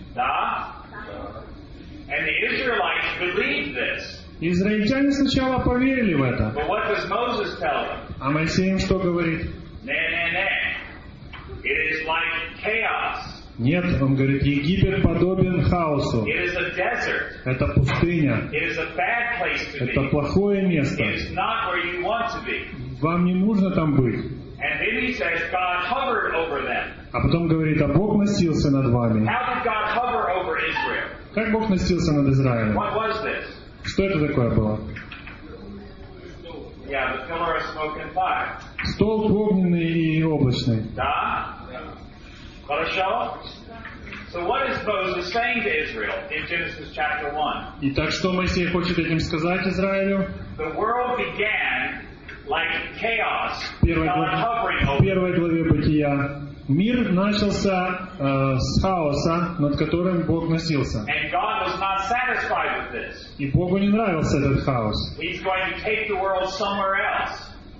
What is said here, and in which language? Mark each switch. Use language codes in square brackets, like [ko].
[ru] Да. [en] And the Israelites believed this. [ru] Израильтяне сначала поверили в это. [en] But what does Moses tell them? [ru] А Моисей им что говорит? Не-не-не. [en] It is like chaos. [ru] Нет, он говорит, Египет подобен хаосу. [en] It is a desert. [ru] Это пустыня. [en] It is a bad place to be. [ru] Это плохое место. [en] It is not where you want to be. [ru] Вам не нужно там быть. [en] And then he says, God hovered over them. [ru] А потом говорит, а Бог носился над вами. [en] How did God hover over Israel? [ru] Как Бог носился над Израилем? [en] What was this? [ru] Что это такое было? [en] Yeah, the pillar of smoke and fire. [ru] Столб огненный и облачный. Да? Хорошо? [en] So what is Moses saying to Israel in Genesis chapter 1? [ru] Итак, что Моисей хочет этим сказать Израилю? [en] The world began like chaos, God hovering over. [ru] В первой главе Бытия. Мир начался с хаоса, над которым Бог носился. [en] And God was not satisfied with this. [ru] И Богу не нравился этот хаос. [en] He's going to take the world somewhere else.